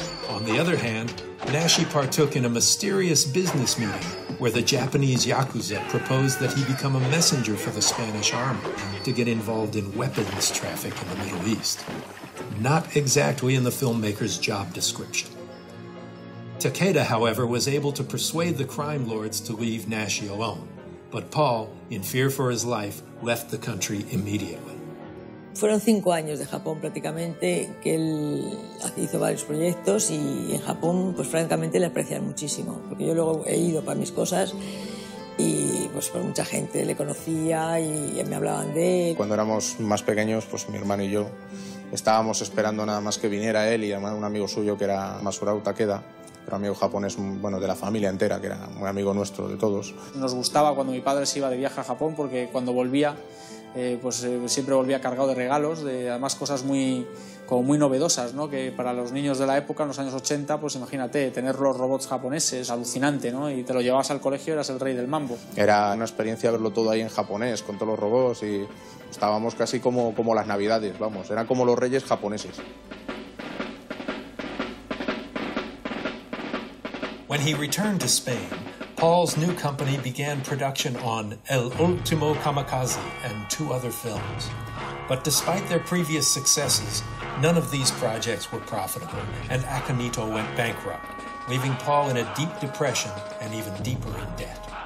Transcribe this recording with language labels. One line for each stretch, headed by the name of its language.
English: On the other hand, Naschy partook in a mysterious business meeting where the Japanese Yakuza proposed that he become a messenger for the Spanish army to get involved in weapons traffic in the Middle East. Not exactly in the filmmaker's job description. Takeda, however, was able to persuade the crime lords to leave Naschy alone, but Paul, in fear for his life, left the country immediately.
Spanish: Fueron 5 años de Japón prácticamente que él hizo varios proyectos y en Japón pues francamente le aprecian muchísimo porque yo luego he ido para mis cosas y pues mucha gente le conocía y me hablaban de él. Cuando éramos más pequeños pues mi hermano y yo estábamos esperando nada más que viniera él y un amigo suyo que era Masurao Takeda, era amigo japonés, bueno, de la familia entera, que era muy amigo nuestro de todos. Nos gustaba cuando mi padre se iba de viaje a Japón porque cuando volvía siempre volvía cargado de regalos, de además cosas muy, como muy novedosas, ¿no? Que para los niños de la época, en los años 80, pues imagínate, tener los robots japoneses, alucinante, ¿no? Y te lo llevabas al colegio, eras el rey del mambo. Era una experiencia verlo todo ahí en japonés, con todos los robots, y estábamos casi como las navidades, vamos, eran como los reyes japoneses.
English: When he returned to Spain, Paul's new company began production on El Último Kamikaze and 2 other films. But despite their previous successes, none of these projects were profitable, and Akinito went bankrupt, leaving Paul in a deep depression and even deeper in debt.